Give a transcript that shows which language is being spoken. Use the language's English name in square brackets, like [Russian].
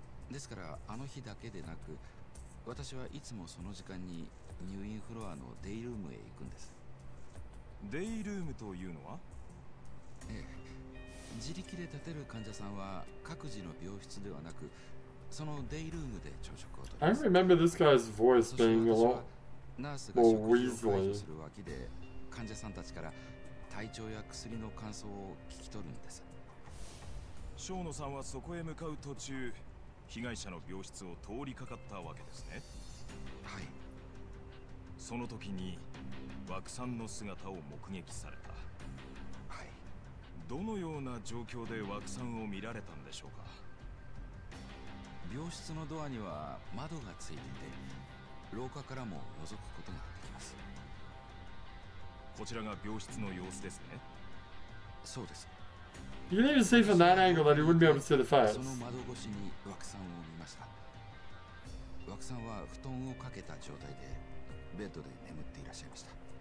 [Japanese] ですからあの日だけでなく、私はいつもその時間に入院フロアのデイルームへ行くんです。デイルームというのは？ええ、自力で立てる患者さんは各自の病室ではなく、そのデイルームで朝食をとります。 [English] I remember this guy's voice being a lot. [Japanese] ナースが食事を介助する脇で患者さんたちから体調や薬の感想を聞き取るんです。ショーノさんはそこへ向かう途中、被害者の病室を通りかかったわけですね。はい。その時にワクさんの姿を目撃された。はい。どのような状況でワクさんを見られたんでしょうか。病室のドアには窓がついていて、廊下からも覗くことができます。こちらが病室の様子ですね。そうです。 [English] You can even see from that angle that he wouldn't be able to see the fire. [Japanese] その窓越しにワクさんを見ました。ワクさんは布団をかけた状態でベッドで眠っていらっしゃいました。